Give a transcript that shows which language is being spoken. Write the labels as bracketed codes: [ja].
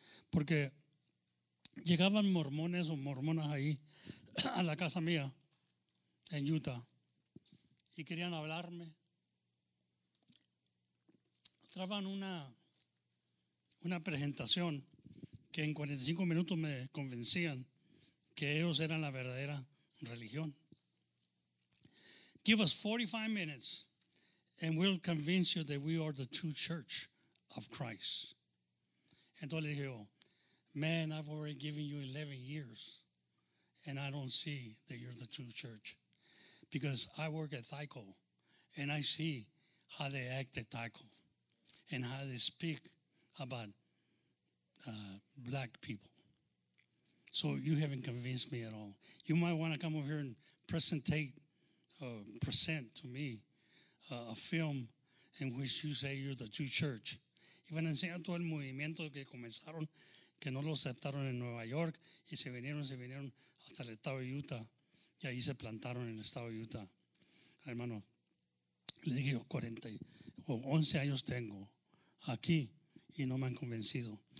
[es] Porque llegaban mormones o mormonas ahí a la casa mía en Utah y querían hablarme. Traban una presentación que en 45 minutos me convencían que ellos eran la verdadera religión. [en] Give us 45 minutes and we'll convince you that we are the true church of Christ. [es] Entonces le dije, [en] man, I've already given you 11 years and I don't see that you're the true church. Because I work at Tyco and I see how they act at Tyco and how they speak about black people. So you haven't convinced me at all. You might want to come over here and present to me a film in which you say you're the true church. [es] Iban a enseñar todo el movimiento que comenzaron, que no lo aceptaron en Nueva York, y se vinieron hasta el estado de Utah, y ahí se plantaron en el estado de Utah. Hermano, le digo, 11 años tengo aquí, y no me han convencido.